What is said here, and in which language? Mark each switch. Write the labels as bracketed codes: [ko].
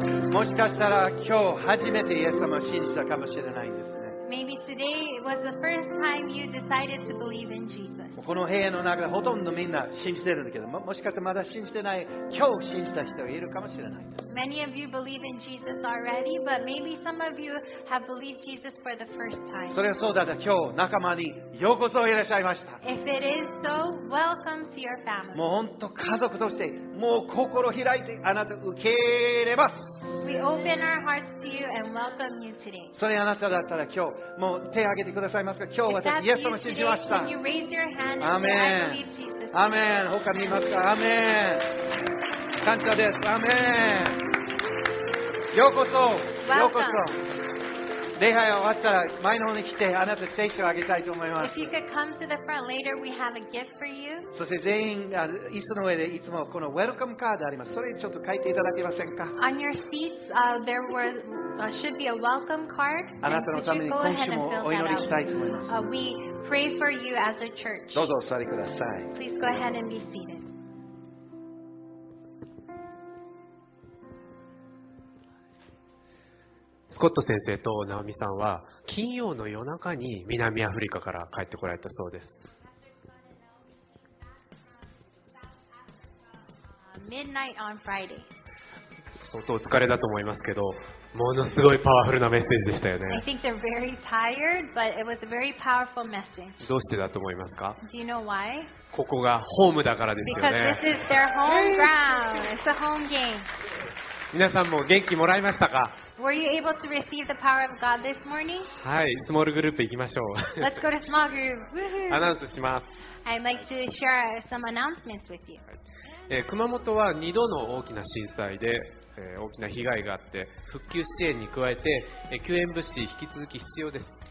[ja] もしかしたら今日初めてイエス様を信じたかもしれないですね。 [en] Maybe today was the first time you decided to believe in Jesus. [ja] この部屋の中でほとんどみんな信じてるんだけど、もしかしたらまだ信じてない、今日信じた人いるかもしれないです。 [en] Many of you believe in Jesus already, but maybe some of you have believed Jesus for the first time. [ja] それはそうだった。今日仲間にようこそいらっしゃいました。 [en] If it is so, welcome to your family. [ja] もう本当家族としてもう心開いてあなた受け入れます。 [en] We open our hearts to you and welcome you today. [ja] それあなただったら今日もう手を挙げてくださいますか。今日私イエス様を信じました。 [en] Can you raise your hand and say, I believe [ja] Jesus. Amen. 他にいますか。Amen. 感謝です。 Amen. ようこそ。 [en] Welcome. [ja] ようこそ。礼拝が終わったら前の方に来てあなた聖書をあげたいと思います。 [en] If you could come to the front later, we have a gift for you. [ja] そして全員が椅子の上でいつもこのウェルカムカードあります。それちょっと書いていただけませんか。 [en] On your seats, there were, should be a welcome card. [ja] あなたのために今週もお祈りしたいと思います。 [en] We pray for you as a church. [ja] どうぞお座りください。 [en] Please go ahead and be seated. [ja] スコット先生とナオミさんは金曜の夜中に南アフリカから帰ってこられたそうです。 [en] Midnight on Friday. [ja] 相当お疲れだと思いますけど、ものすごいパワフルなメッセージでしたよね。 [en] I think they're very tired, but it was a very powerful message. [ja] どうしてだと思いますか？ [en] Do you know why? [ja] ここがホームだからですよね。 [en] Because this is their home ground. It's a home game. [ja] 皆さんも元気もらいましたか？ [en] Were you able to receive the power of God this morning? [ja] はい、スモールグループ行きましょう。 [en] Let's go to small group. [ja] アナウンスします。 [en] I'd like to share some announcements with you. [ja] 熊本は2度の大きな震災で、大きな被害があって、復旧支援に加えて、救援物資引き続き必要です。